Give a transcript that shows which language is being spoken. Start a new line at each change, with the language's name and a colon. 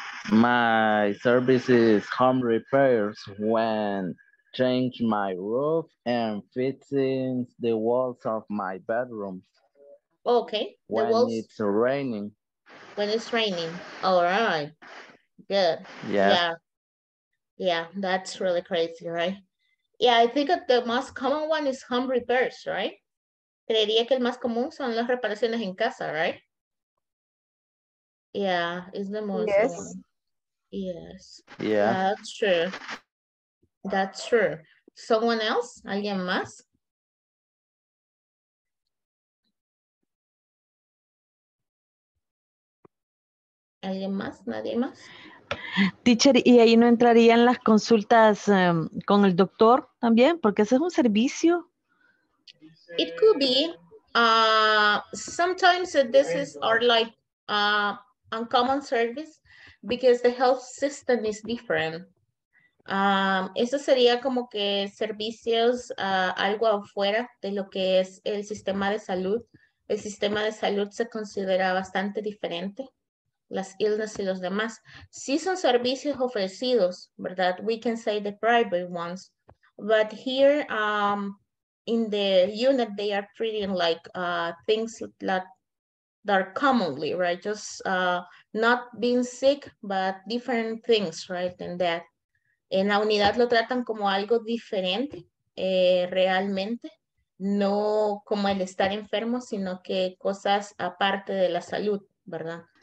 English: My service is home repairs when change my roof and fixing the walls of my bedroom. Okay. When the walls, it's raining. When it's raining. All right. Good. Yeah, that's really crazy, right? Yeah, I think that the most common one is home repairs, right?
Spanish: Creería que el más común son las reparaciones en casa, right?
English: Yeah, it's the most common. Yes. Yeah. That's true. That's true. Someone else?
Spanish: ¿Alguien más? ¿Alguien más? ¿Nadie más? Teacher, ¿y ahí no entrarían las consultas con el doctor también? Porque ese es un servicio.
English: It could be. Sometimes this is our like uncommon service because the health system is different.
Spanish: Eso sería como que servicios algo afuera de lo que es el sistema de salud. El sistema de salud se considera bastante diferente. Las illness y los demás. Sí son servicios ofrecidos, ¿verdad?
English: We can say the private ones. But here in the unit, they are treating like things that are commonly, right? Just not being sick, but different things, right, than that.
Spanish: En la unidad lo tratan como algo diferente, realmente. No como el estar enfermo, sino que cosas aparte de la salud, ¿verdad?